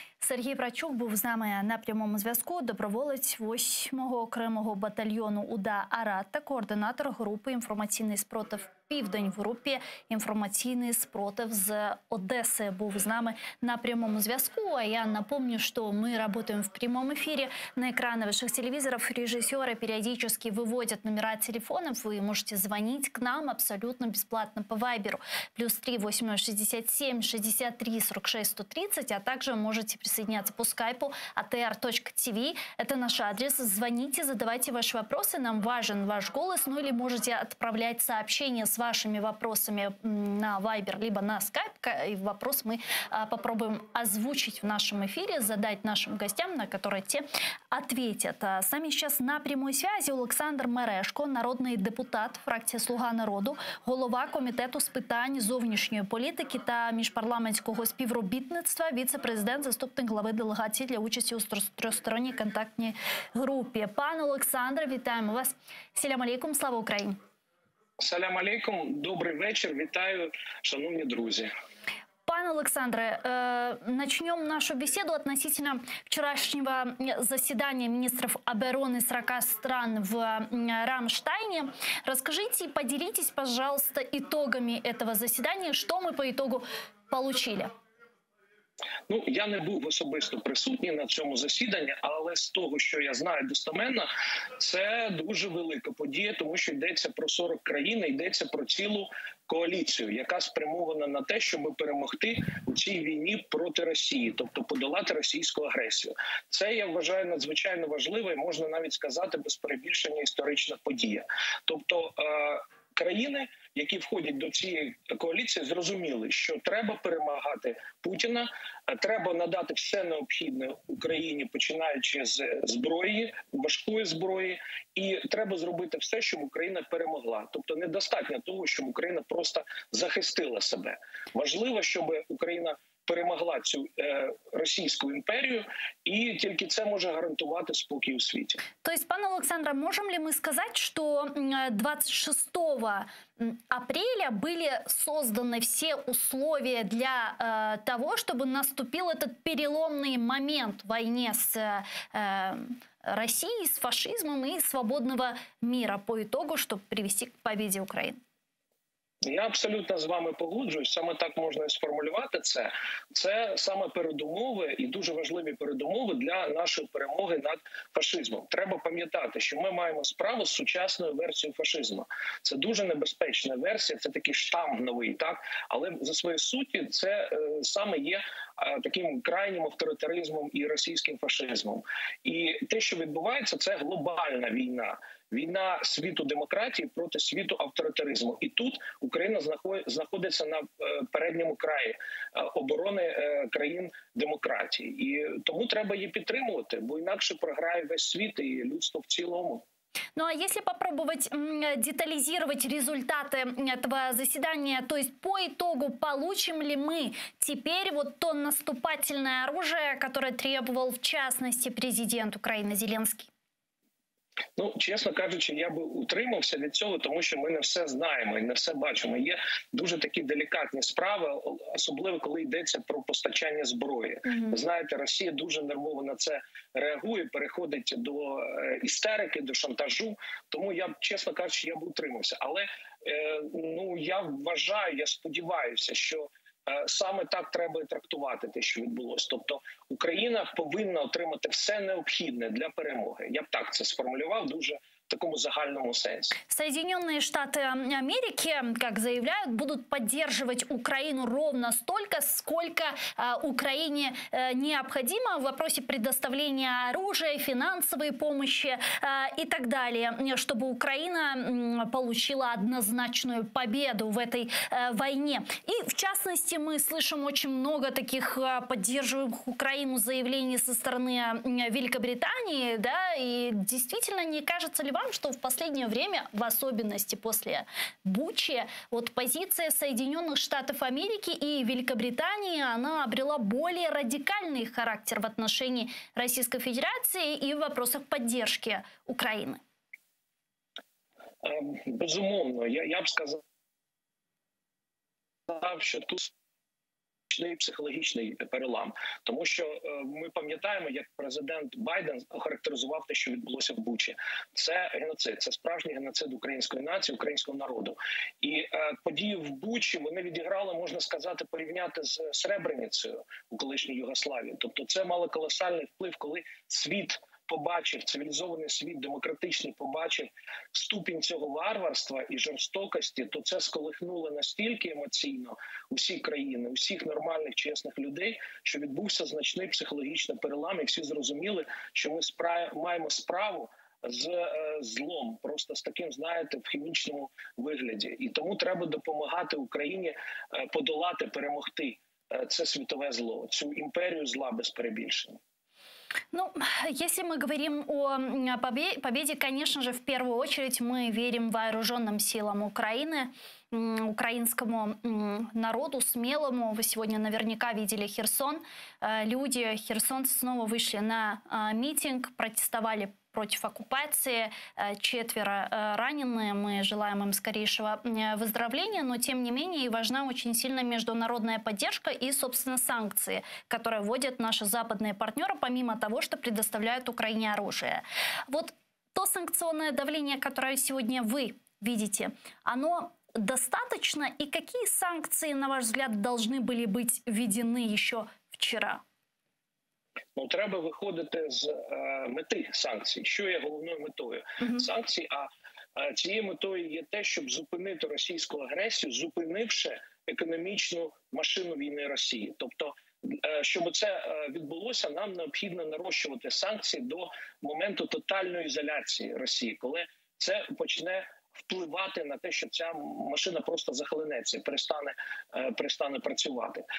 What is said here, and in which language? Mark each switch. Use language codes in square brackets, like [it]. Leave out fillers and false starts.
[uk] Сергій Прачук був з нами на прямому зв'язку. Доброволець 8-го окремого батальйону УДА «Арат» та координатор групи «Інформаційний спротив Південь» в групі «Інформаційний спротив» з Одеси був з нами на прямому зв'язку. А я напомню, що ми працюємо в прямому ефірі. На екрани ваших телевізорів режисери періодично виводять номера телефонів. Ви можете дзвонити к нам абсолютно безплатно по вайберу. [ru] +3 867 63 46 130, [uk] а також можете [ru] присоединяться по скайпу atr.tv. Это наш адрес. Звоните, задавайте ваши вопросы. Нам важен ваш голос. Ну или можете отправлять сообщение с вашими вопросами на Viber либо на Skype. И вопрос мы попробуем озвучить в нашем эфире, задать нашим гостям, на которые те ответят. С нами сейчас на прямой связи [uk] Олександр Мережко, народний депутат фракції «Слуга народу», голова комітету з питань зовнішньої політики та міжпарламентського співробітництва, віце-президент, заступник глави делегації для участі у тристоронній контактній групі. Пане Олександре, вітаємо вас. Селям алейкум, слава Україні. Салям алейкум, добрий вечір, вітаю, шановні друзі. Пане Олександре, [ru] начнем нашу беседу относительно вчерашнего заседания министров обороны 40 стран в Рамштайне. Расскажите и поделитесь, пожалуйста, итогами этого заседания, что мы по итогу получили. [uk] Ну, я не був особисто присутній на цьому засіданні, але з того, що я знаю достеменно, це дуже велика подія, тому що йдеться про 40 країн, йдеться про цілу коаліцію, яка спрямована на те, щоб перемогти у цій війні проти Росії, тобто подолати російську агресію. Це, я вважаю, надзвичайно важливо і можна навіть сказати без перебільшення історична подія. Тобто країни, які входять до цієї коаліції, зрозуміли, що треба перемагати Путіна, треба надати все необхідне Україні, починаючи з зброї, важкої зброї, і треба зробити все, щоб Україна перемогла. Тобто недостатньо того, щоб Україна просто захистила себе. Важливо, щоб Україна перемогла цю російську імперію, і тільки це може гарантувати спокій у світі. Тобто, пане Олександре, можемо [ru] ли ми сказати, що 26-го апреля были созданы все условия для того, чтобы наступил этот переломный момент в войне с Россией, с фашизмом и свободного мира по итогу, чтобы привести к победе Украины? [uk] Я абсолютно з вами погоджуюсь, саме так можна і сформулювати це. Це саме передумови і дуже важливі передумови для нашої перемоги над фашизмом. Треба пам'ятати, що ми маємо справу з сучасною версією фашизму. Це дуже небезпечна версія, це такий штам новий, так? Але за своєю суттю це саме є таким крайнім авторитаризмом і російським фашизмом. І те, що відбувається, це глобальна війна. Війна світу демократії проти світу авторитаризму. І тут Україна знаходиться на передньому краї оборони країн демократії. І тому треба її підтримувати, бо інакше програє весь світ і людство в цілому. [ru] Ну а если попробовать детализировать результаты этого заседания, то есть по итогу получим ли мы теперь вот то наступательное оружие, которое требовал в частности президент Украины Зеленский? [uk] Ну, чесно кажучи, я би утримався від цього, тому що ми не все знаємо і не все бачимо. Є дуже такі делікатні справи, особливо, коли йдеться про постачання зброї. Знаєте, Росія дуже нервово на це реагує, переходить до істерики, до шантажу. Тому я, чесно кажучи, я би утримався. Але ну, я вважаю, я сподіваюся, що саме так треба і трактувати те, що відбулося. Тобто Україна повинна отримати все необхідне для перемоги. Я б так це сформулював дуже в такому загальному сенсі. [ru] Соединенные Штаты Америки, как заявляют, будут поддерживать Украину ровно столько, сколько Украине необходимо в вопросе предоставления оружия, финансовой помощи и так далее, чтобы Украина получила однозначную победу в этой войне. И в частности, мы слышим очень много таких поддерживающих Украину заявлений со стороны Великобритании, да, и действительно, не кажется ли вам, что в последнее время, в особенности после Бучи, вот позиция Соединенных Штатов Америки и Великобритании, она обрела более радикальный характер в отношении Российской Федерации и в вопросах поддержки Украины? [uk] Безумовно, [ru] я бы сказал, что тут психологический перелам, потому что мы помним, как президент Байден охарактеризовал то, что произошло в Бучи. [uk] Це геноцид, це справжній геноцид української нації, українського народу. І події в Бучі, вони відіграли, можна сказати, порівняти з Сребреницею у колишній Югославії. Тобто це мало колосальний вплив, коли світ побачив, цивілізований світ, демократичний, побачив ступінь цього варварства і жорстокості, то це сколихнуло настільки емоційно усі країни, усіх нормальних, чесних людей, що відбувся значний психологічний перелам, і всі зрозуміли, що ми маємо справу з злом, просто з таким, знаєте, в хімічному вигляді. І тому треба допомагати Україні подолати, перемогти це світове зло, цю імперію зла без перебільшення. [ru] Ну, если мы говорим о победе, конечно же, в первую очередь мы верим вооруженным силам Украины, украинскому народу, смелому. Вы сегодня наверняка видели Херсон. Люди, херсонцы снова вышли на митинг, протестовали против оккупации. Четверо раненые. Мы желаем им скорейшего выздоровления. Но, тем не менее, важна очень сильно международная поддержка и, собственно, санкции, которые вводят наши западные партнеры, помимо того, что предоставляют Украине оружие. Вот то санкционное давление, которое сегодня вы видите, оно достаточно? И какие санкции, на ваш взгляд, должны были быть введены еще вчера? [uk] Ну, треба виходити з мети санкцій. Що є головною метою санкцій? А цією метою є те, щоб зупинити російську агресію, зупинивши економічну машину війни Росії. Тобто, щоб це відбулося, нам необхідно нарощувати санкції до моменту тотальної ізоляції Росії, коли це почне впливати на те, що ця машина просто захлинеться, перестане працювати.